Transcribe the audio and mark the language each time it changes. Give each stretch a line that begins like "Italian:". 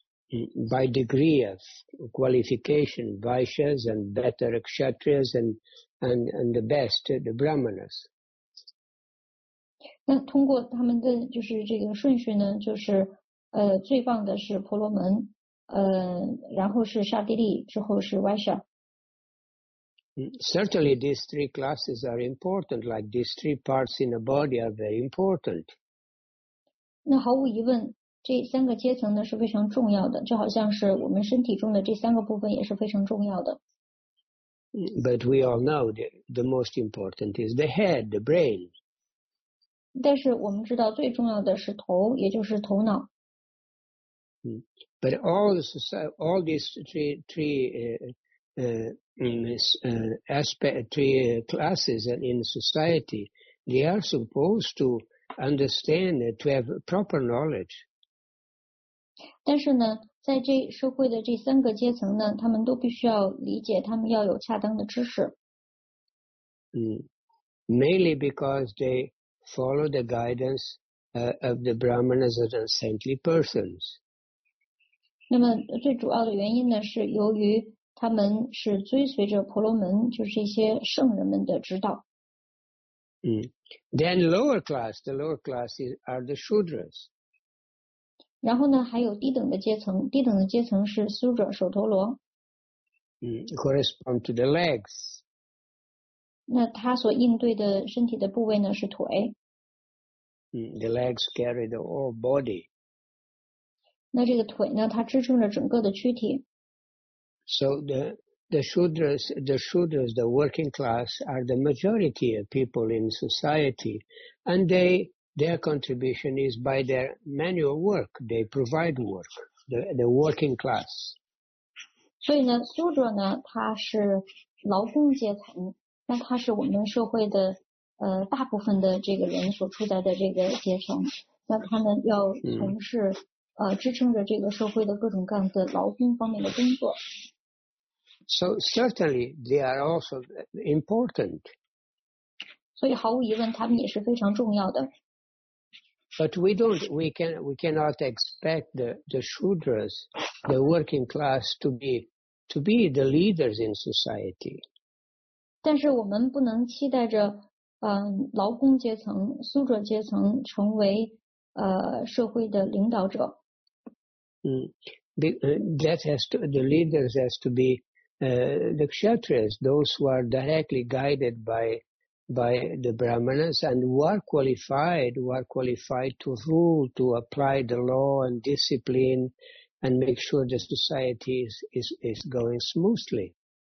English: By degree of qualification, Vaishyas and better Kshatriyas and the best, the Brahmanas.
Chinese: 那通过他们的就是这个顺序呢，就是最棒的是婆罗门，然后是刹帝利，之后是 Vaishya.
English: Certainly, these three classes are important. Like these three parts in the body are very important.
Chinese: 那毫无疑问。这三个阶层呢是非常重要的，就好像是我们身体中的这三个部分也是非常重要的。
English: But we all know the most important is the head, the brain.
Chinese: 但是我们知道最重要的是头，也就是头脑。
English: But all these three classes in society, they are supposed to understand, to have proper knowledge.
Chinese: 但是呢，在这社会的这三个阶层呢，他们都必须要理解，他们要有恰当的知识。
English: Mainly because they follow the guidance of the Brahmanas and saintly persons.
Chinese: 那么最主要的原因呢，是由于他们是追随着婆罗门，就是一些圣人们的指导。
English: Then the lower class are the Shudras.
Chinese: 然后呢，还有低等的阶层，低等的阶层是苏者手陀罗。
English: Correspond to the legs.
Chinese: 那他所应对的身体的部位呢是腿。
English: The legs carry the whole body.
Chinese: 那这个腿呢，它支撑着整个的躯体。
English: So the shudras, the working class, are the majority of people in society, and they. Their contribution is by their manual work. They provide work. The working class.
Chinese: 所以呢，苏者呢，他是劳工阶层，那他是我们社会的大部分的这个人所处在的这个阶层。那他们要从事支撑着这个社会的各种各样的劳工方面的工作。
English: So certainly they are also important.
Chinese: 所以毫无疑问，他们也是非常重要的。
English: But we don't, we cannot expect the shudras, the working class, to be the leaders in society.
Chinese: 但是我们不能期待着，劳工阶层、苏哲阶层成为社会的领导者。嗯。
English: The leaders has to be the kshatriyas, those who are directly guided by the brahmanas and who are qualified to rule, to apply the law and discipline, and make sure the society is going smoothly.